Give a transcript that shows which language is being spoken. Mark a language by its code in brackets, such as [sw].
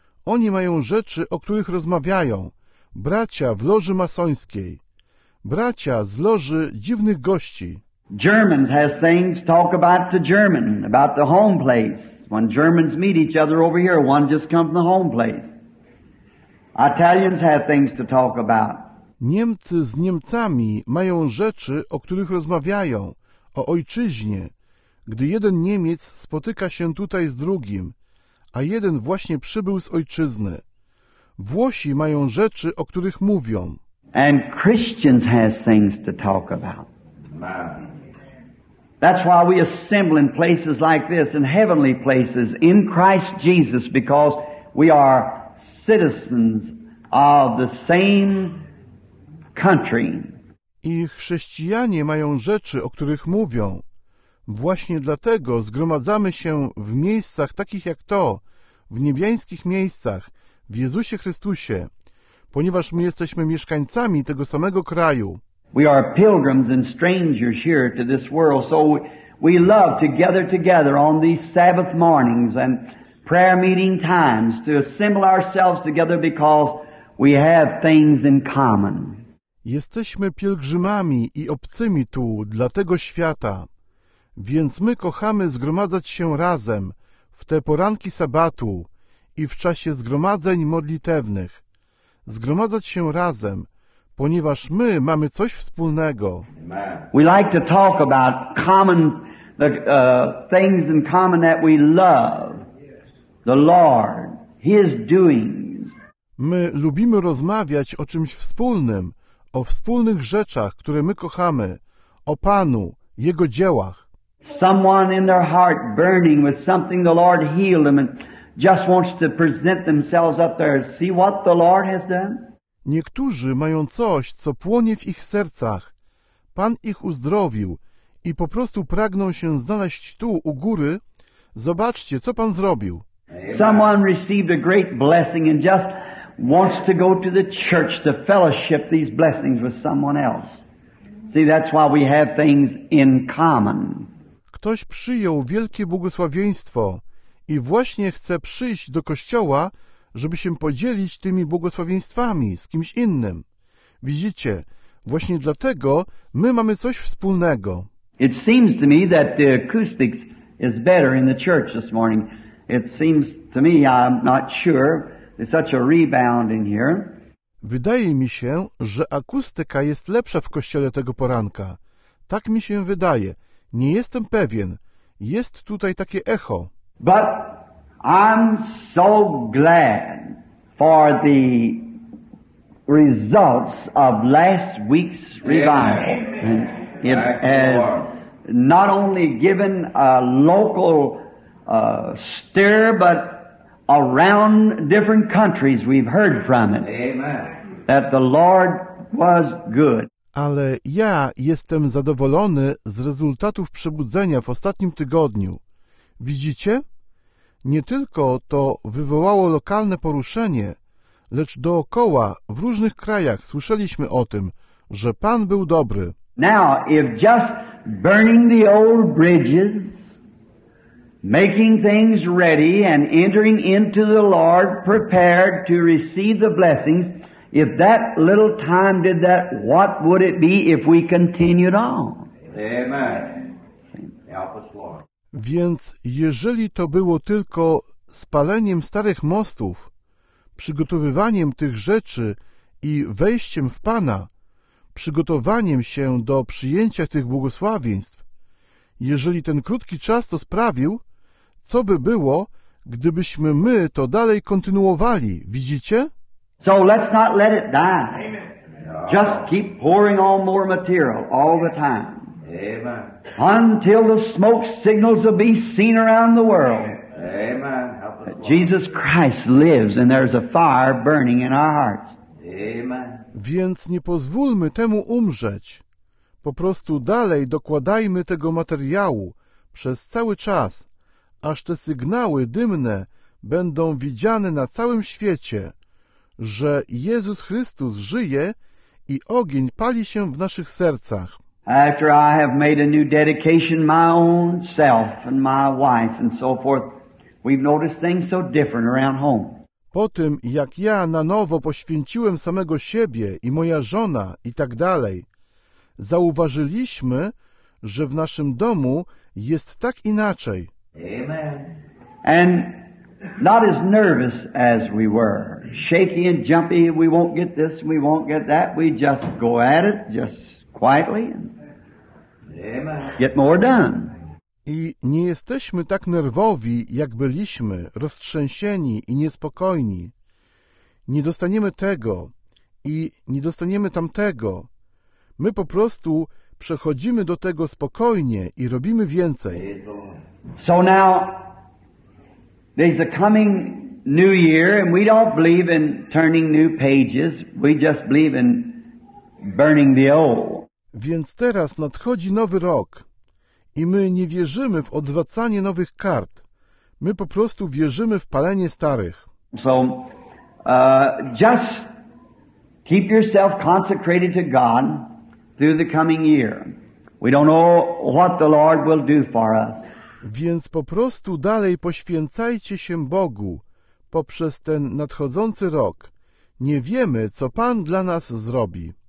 [pl] Oni mają rzeczy, o których rozmawiają. Bracia w loży masońskiej. Bracia z loży dziwnych gości. [en] Germans has things to talk about to German, about the home place. When Germans meet each other over here, one just comes from the home place. Italians have things to talk about. [pl] Niemcy z Niemcami mają rzeczy, o których rozmawiają, o ojczyźnie. Gdy jeden Niemiec spotyka się tutaj z drugim, a jeden właśnie przybył z ojczyzny. Włosi mają rzeczy, o których mówią. [en] And Christians have things to talk about. That's why we assemble in places like this, in heavenly places, in Christ Jesus, because we are citizens of the same country. [pl] I chrześcijanie mają rzeczy, o których mówią. Właśnie dlatego zgromadzamy się w miejscach takich jak to, w niebiańskich miejscach, w Jezusie Chrystusie, ponieważ my jesteśmy mieszkańcami tego samego kraju. [en] We are pilgrims and strangers here to this world, so we love to gather together on these Sabbath mornings and prayer meeting times to assemble ourselves together because we have things in common. [pl] Jesteśmy pielgrzymami i obcymi tu dla tego świata, więc my kochamy zgromadzać się razem w te poranki sabatu i w czasie zgromadzeń modlitewnych. Zgromadzać się razem, ponieważ my mamy coś wspólnego. [en] We like to talk about common things in common that we love. The Lord, His doings. [pl] My lubimy rozmawiać o czymś wspólnym, o wspólnych rzeczach, które my kochamy, o Panu, Jego dziełach. [en] Someone in their heart burning with something the Lord healed them and just wants to present themselves up there and see what the Lord has done. [pl] Niektórzy mają coś, co płonie w ich sercach. Pan ich uzdrowił i po prostu pragną się znaleźć tu, u góry. Zobaczcie, co Pan zrobił. [en] Someone received a great blessing and just wants to go to the church to fellowship these blessings with someone else. See, that's why we have things in common. [pl] Ktoś przyjął wielkie błogosławieństwo i właśnie chce przyjść do kościoła, żeby się podzielić tymi błogosławieństwami z kimś innym. Widzicie, Właśnie dlatego my mamy coś wspólnego. [en] It seems to me that the acoustics is better in the church this morning. It seems to me, I'm not sure, there's such a rebound in here. [pl] Wydaje mi się, że akustyka jest lepsza w kościele tego poranka. Tak mi się wydaje. Nie jestem pewien. Jest tutaj takie echo. [en] But I'm so glad for the results of last week's revival. And it has not only given a local stir, but around different countries we've heard from it. Amen. That the Lord was good. [pl] Ale ja jestem zadowolony z rezultatów przebudzenia w ostatnim tygodniu. Widzicie? Nie tylko to wywołało lokalne poruszenie, lecz dookoła, w różnych krajach, słyszeliśmy o tym, że Pan był dobry. [en] Now, if just burning the old bridges, making things ready and entering into the Lord prepared to receive the blessings, if that little time did that, what would it be if we continued on? Amen. Help us, Lord. [pl] Więc jeżeli to było tylko spaleniem starych mostów, przygotowywaniem tych rzeczy i wejściem w Pana, przygotowaniem się do przyjęcia tych błogosławieństw, jeżeli ten krótki czas to sprawił, co by było, gdybyśmy my to dalej kontynuowali, widzicie? [en] So let's not let it die. Amen. Just keep pouring on more material all the time. Amen. Until the smoke signals will be seen around the world. Amen. Help us, Jesus Christ lives and there's a fire burning in our hearts. Amen. [pl] Więc nie pozwólmy temu umrzeć. Po prostu dalej dokładajmy tego materiału przez cały czas, aż te sygnały dymne będą widziane na całym świecie, że Jezus Chrystus żyje i ogień pali się w naszych sercach. [en] After I have made a new dedication, my own self and my wife and so forth, we've noticed things so different around home. [pl] Po tym, jak ja na nowo poświęciłem samego siebie i moja żona i tak dalej, zauważyliśmy, że w naszym domu jest tak inaczej. [en] Amen. And not as nervous as we were. Shaky and jumpy, we won't get this, we won't get that. We just go at it, just quietly and get more done. [pl] I nie jesteśmy tak nerwowi, jak byliśmy, roztrzęsieni i niespokojni. Nie dostaniemy tego i nie dostaniemy tamtego. My po prostu przechodzimy do tego spokojnie i robimy więcej. [en] So now, there's a coming new year, and we don't believe in turning new pages. We just believe in burning the old. [pl] Więc teraz nadchodzi nowy rok i my nie wierzymy w odwracanie nowych kart. My po prostu wierzymy w palenie starych. [en] So, just keep yourself consecrated to God through the coming year. We don't know what the Lord will do for us. [pl] Więc po prostu dalej poświęcajcie się Bogu poprzez ten nadchodzący rok. Nie wiemy, co Pan dla nas zrobi.